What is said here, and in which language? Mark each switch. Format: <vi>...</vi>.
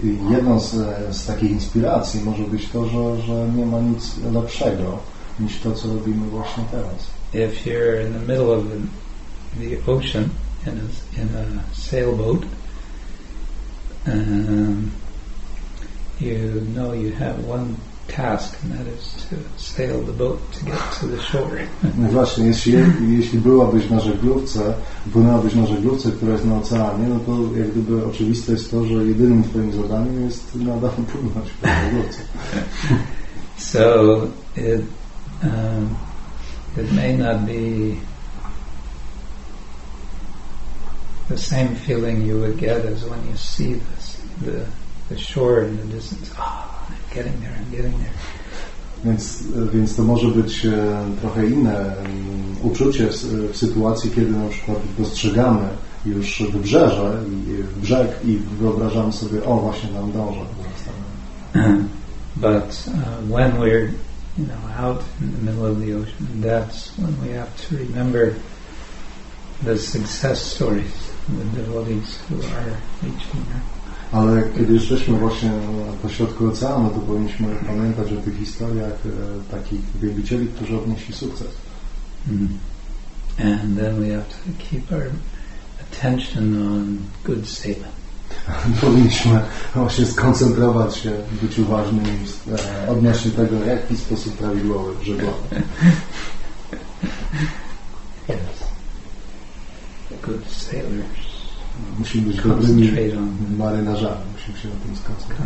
<pl>Jedną z takich inspiracji może być to, że nie ma nic lepszego niż to, co robimy właśnie teraz.</pl> <en>If you're in the middle of the ocean in a sailboat, you know you have one task, and that is to sail the boat to get to the shore.</en> <pl>No właśnie, jeśli byłabyś na żeglówce, płynęłabyś na żeglówce, która jest na oceanie, no to jak gdyby oczywiste jest to, że jedynym twoim zadaniem jest nadal płynąć po żeglówce.</pl> <en>So it it may not be the same feeling you would get as when you see the shore in the distance. Getting there.</en> <pl>Więc to może być trochę inne uczucie w sytuacji, kiedy na przykład dostrzegamy już wybrzeże i brzeg i wyobrażamy sobie, o, właśnie nam dąży.</pl> <en>But when we're, you know, out in the middle of the ocean, that's when we have to remember the success stories, the devotees who are reaching there.</en> <pl>Ale kiedy jesteśmy właśnie po środku oceanu, to powinniśmy pamiętać o tych historiach takich wielbicieli, którzy odnieśli sukces. Mm-hmm.</pl> <en>And then we have to keep our attention on good sailing.</en> <pl>Powinniśmy właśnie skoncentrować się, być uważnym odnośnie tego, w jaki sposób prawidłowy żeglować.</pl> <en>Yes. Good sailors.</en> <pl>Musimy być dobrymi marynarzami. Musimy się na tym skoncentrować.</pl>